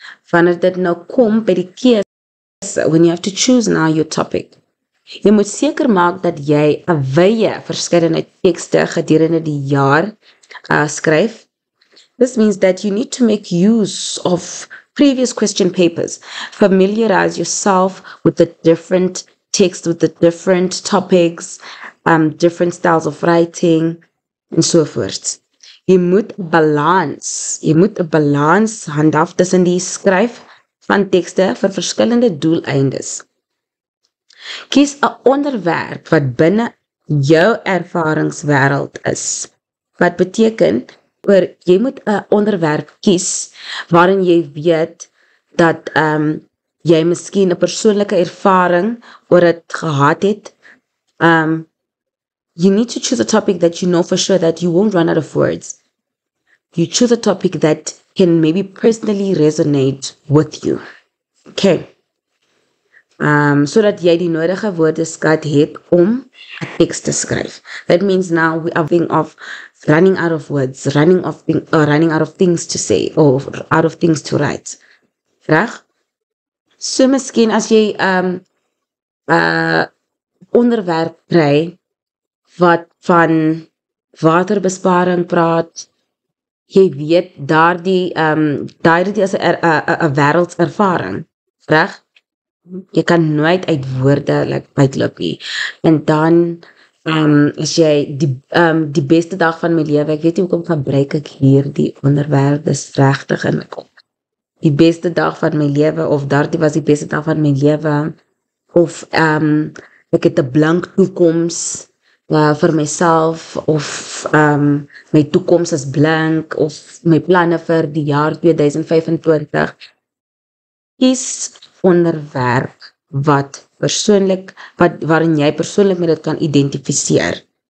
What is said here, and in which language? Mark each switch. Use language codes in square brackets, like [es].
[af] Wanneer dit nou kom by die keuse, [en] when you have to choose now your topic, [af] jy moet seker maak dat jy 'n wye verskeidenheid tekste gedurende die jaar skryf. [en] This means that you need to make use of previous question papers. Familiarize yourself with the different texts, with the different topics, different styles of writing, en so voort. [af] Jy moet 'n balans handhaaf tussen die skryf van tekste vir verskillende doeleindes. Kies 'n onderwerp wat binne jou ervaringswêreld is. Wat beteken, oor jy moet 'n onderwerp kies waarin jy weet dat jy miskien 'n persoonlike ervaring oor dit gehad het. [en] You need to choose a topic that you know for sure that you won't run out of words. You choose a topic that can maybe personally resonate with you. Okay. [af] Sodat jy die nodige woordeskat het om 'n teks te skryf. [en] That means now we are thinking of running out of words, running out of things to say or out of things to write. Reg? [af] So miskien as jy 'n onderwerp kry wat van waterbesparing praat, jy weet daardie as 'n wêreldservaring. Reg? Jy kan nooit uit woorde uitloop nie. En dan as jy die beste dag van my lewe, ek weet nie hoekom gebruik ek hierdie onderwerp, dis regtig in my kop. Die beste dag van my lewe, of daardie was die beste dag van my lewe, of ek het 'n blank toekoms vir myself, of my toekoms is blank, of my planne vir die jaar 2025, is onderwerp wat persoonlik, waarin jy persoonlik met dit kan identifiseer.